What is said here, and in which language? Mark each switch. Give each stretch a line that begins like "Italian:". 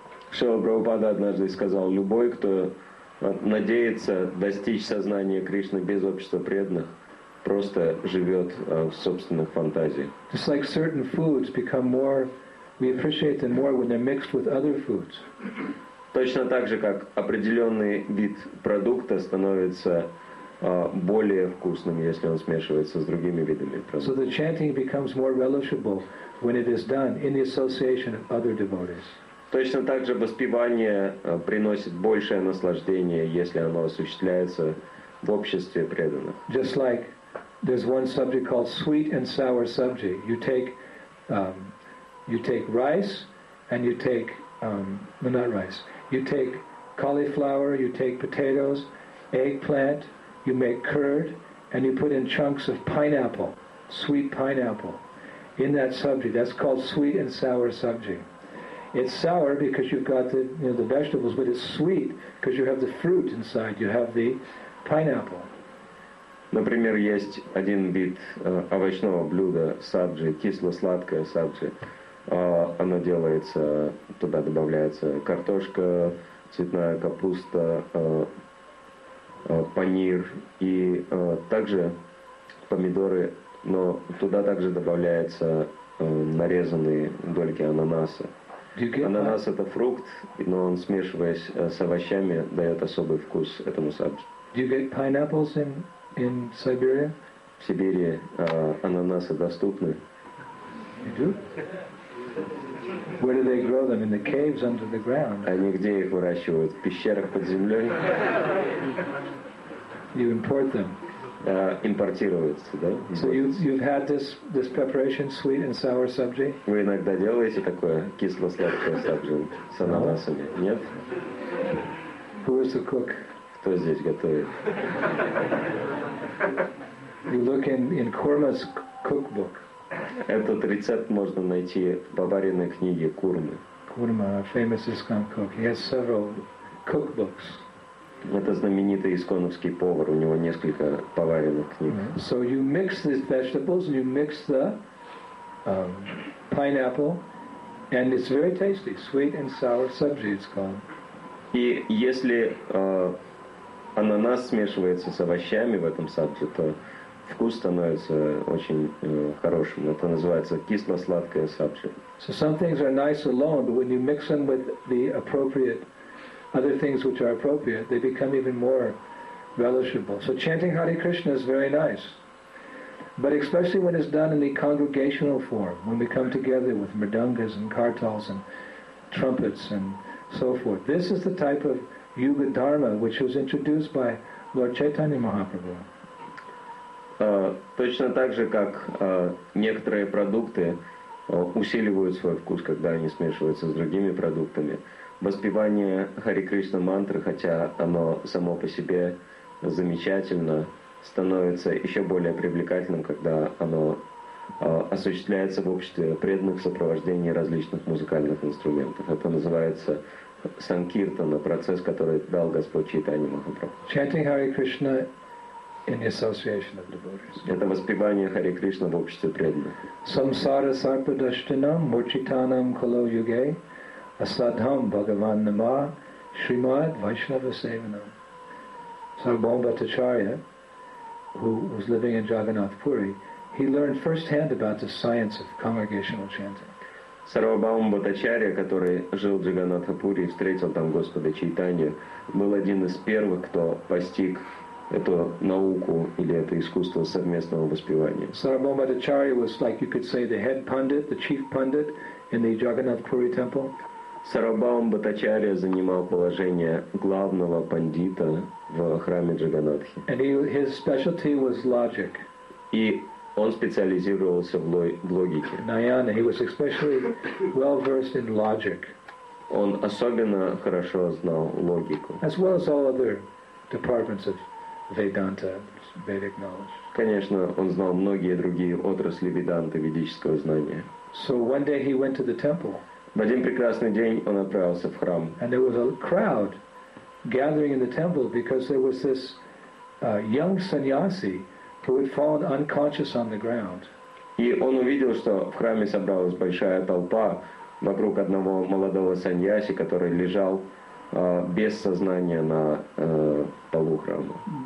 Russian: Srila Prabhupada однажды сказал, любой, кто надеется достичь сознания Кришны без общества преданных, просто живет в собственных фантазиях.
English: Just like certain foods become more, we appreciate them more when they're mixed with other foods.
Russian: Точно так же, как определенный вид продукта становится более вкусным, если он смешивается с другими видами продуктов.
English: So the chanting becomes more relishable when it is done in the association of other devotees.
Russian: Точно так же воспевание приносит большее наслаждение, если оно осуществляется в обществе преданных.
English: Just like there's one subject called sweet and sour sabji. You take cauliflower, you take potatoes, eggplant, you make curd, and you put in chunks of pineapple, sweet pineapple, in that sabji. That's called sweet and sour sabji. It's sour because you've got the vegetables, but it's sweet because you have the fruit inside. You have the pineapple.
Russian: Например, есть один вид овощного блюда сабджи, кисло-сладкое сабджи. Оно делается, туда добавляется картошка, цветная капуста, панир и также помидоры, но туда также добавляются нарезанные дольки ананаса. Ананас — это фрукт, но он, смешиваясь с овощами, дает особый вкус этому сабджи.
English: Do you get pineapples in Siberia?
Russian: В Сибири ананасы доступны.
English: You do? Where do they grow them? In the caves under the ground?
Russian: Они где их выращивают? В пещерах под землей?
English: You import them.
Russian: импортируется, да?
English: So you've had this preparation, sweet and sour sabji?
Russian: Вы иногда делаете такое кисло-сладкое сабжи с ананасами?
English: No.
Russian: Нет?
English: Who is the cook?
Russian: Кто здесь готовит?
English: You look in Kurma's cookbook.
Russian: Этот рецепт можно найти в бабариной книге Курмы.
English: Kurma, a famous ISKCON cook. He has several cookbooks.
Russian: Это знаменитый исконовский повар, у него несколько поваренных книг. So you mix these vegetables, you mix the pineapple, and it's very tasty, sweet and sour sabji, it's called. И если ананас смешивается с овощами в этом сабжи, то вкус становится очень хорошим. Это называется кисло-сладкое сабжи.
English: So some things are nice alone, but when you mix them with the appropriate other things which are appropriate, they become even more relishable. So chanting Hare Krishna is very nice. But especially when it's done in the congregational form, when we come together with mridangas and kartals and trumpets and so forth. This is the type of Yuga Dharma which was introduced by Lord Chaitanya Mahaprabhu.
Russian: Точно так же, как некоторые продукты усиливают свой вкус, когда они смешиваются с другими продуктами. Воспевание Хари Кришна мантры, хотя оно само по себе замечательно, становится еще более привлекательным, когда оно осуществляется в обществе преданных в сопровождении различных музыкальных инструментов. Это называется санкиртана, процесс, который дал Господь Чайтанья Махапрабху.
English: Chanting Hare Krishna in the association of devotees.
Russian: Это воспевание Хари Кришна в обществе преданных.
Sanskrit: Самсара сарпадаштинам мурчитанам кало юге Asadham Bhagavan Nama Srimad Vaishnava Sevanam.
English: Sarvabhaum Bhattacharya, who was living in Jagannath Puri, he learned firsthand about the science of congregational chanting.
Russian: Sarvabhaum Bhattacharya, который жил в Джаганнатха Пури и встретил там Господа Чайтанью, был один из первых, кто постиг эту науку или это искусство совместного воспевания.
English: Sarvabhaum Bhattacharya was, like you could say, the head pundit, the chief pundit in the Jagannath Puri temple.
Russian: Сарвабхаум Бхаттачарья занимал положение главного пандита в храме Джаганнатхи.
English: And his specialty was logic.
Russian: И он специализировался в логике.
English: Nayana, he was especially well versed in logic.
Russian: Он особенно хорошо знал логику.
English: As well as all other departments of Vedanta, Vedic knowledge.
Russian: Конечно, он знал многие другие отрасли Веданты, ведического знания.
English: So one day he went to the temple.
Russian: В один прекрасный день он отправился в храм.
English: And there was a crowd gathering in the temple because there was this young sannyasi who had fallen unconscious on the ground.
Russian: И он увидел, что в храме собралась большая толпа вокруг одного молодого сannyasi, который лежал без сознания на полу храма.